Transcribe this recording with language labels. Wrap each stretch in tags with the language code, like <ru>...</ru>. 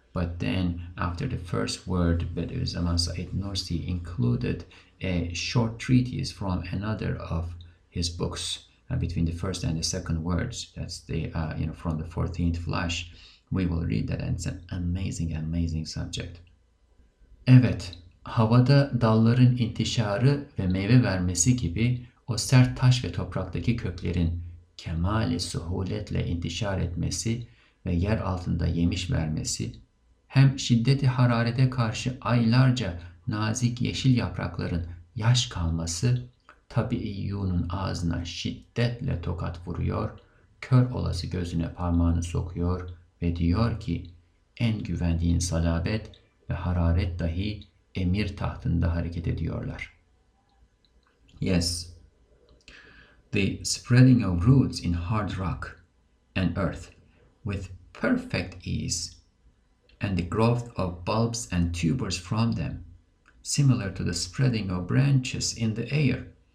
<en>But then after the first word, Bediüzzaman Said Nursi included a short treatise from another of his books. Between the first and the second words, that's the from the 14th flash, we will read that, and it's an amazing, amazing subject.</en> <tr>Evet, havada dalların intişarı ve meyve vermesi gibi o sert taş ve topraktaki köklerin kemali suhuletle intişar etmesi ve yer altında yemiş vermesi, hem şiddeti hararete karşı aylarca nazik yeşil yaprakların yaş kalması, tabiiyyunun ağzına şiddetle tokat vuruyor, kör olası gözüne parmağını sokuyor ve diyor ki, en güvendiğin salabet ve hararet dahi emir tahtında hareket ediyorlar.</tr> <en>Yes, the spreading of roots in hard rock and earth with perfect ease, and the growth of bulbs and tubers from them, similar to the spreading of branches in the air,</en>